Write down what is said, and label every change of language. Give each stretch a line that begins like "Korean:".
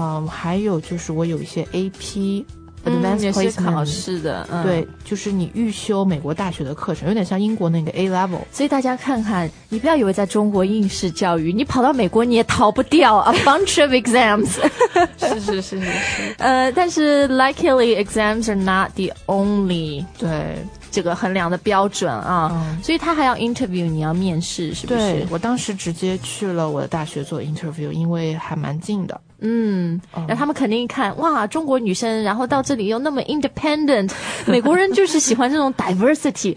Chinese: 还有就是我有一些 AP advanced placement 考试的。对，就是你预修美国大学的课程，有点像英国那个 A level。所以大家看看，你不要以为在中国应试教育，你跑到美国你也逃不掉 a bunch of exams。是
English: 但是 luckily exams are not the only
Chinese: 对这个衡量的标准所以他还要 interview， 你要面试是不是？对，我当时直接去了我的大学做 interview， 因为还蛮近的。然后他们肯定看哇，中国女生然后到这里又那么 independent， 美国人就是喜欢这种 diversity，